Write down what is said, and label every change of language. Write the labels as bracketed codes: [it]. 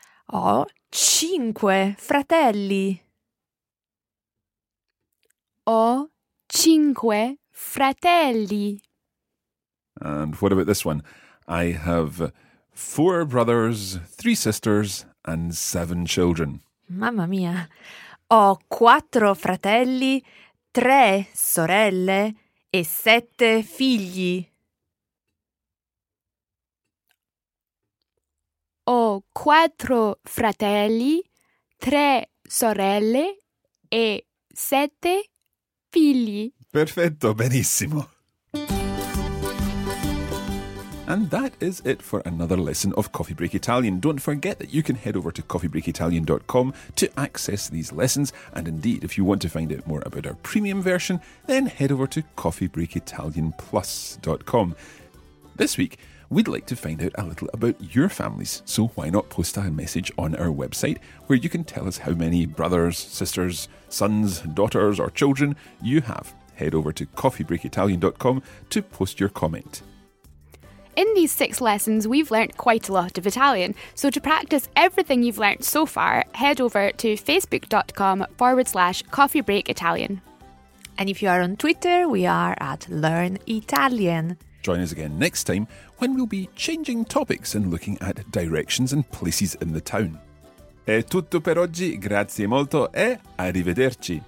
[it] Ho cinque fratelli. Ho cinque fratelli. [en] And what about this one? I have four brothers, three sisters, and seven children. [it] Mamma mia. Ho quattro fratelli, tre sorelle e sette figli. Ho quattro fratelli, tre sorelle e sette figli. Perfetto, benissimo. [en] And that is it for another lesson of Coffee Break Italian. Don't forget that you can head over to coffeebreakitalian.com to access these lessons. And indeed, if you want to find out more about our premium version, then head over to coffeebreakitalianplus.com. This week, we'd like to find out a little about your families, so why not post a message on our website where you can tell us how many brothers, sisters, sons, daughters, or children you have. Head over to coffeebreakitalian.com to post your comment. In these six lessons, we've learnt quite a lot of Italian, so to practice everything you've learnt so far, head over to facebook.com/coffeebreakitalian. And if you are on Twitter, we are at Learn Italian. Join us again next time when we'll be changing topics and looking at directions and places in the town. [it] È tutto per oggi, grazie molto e arrivederci.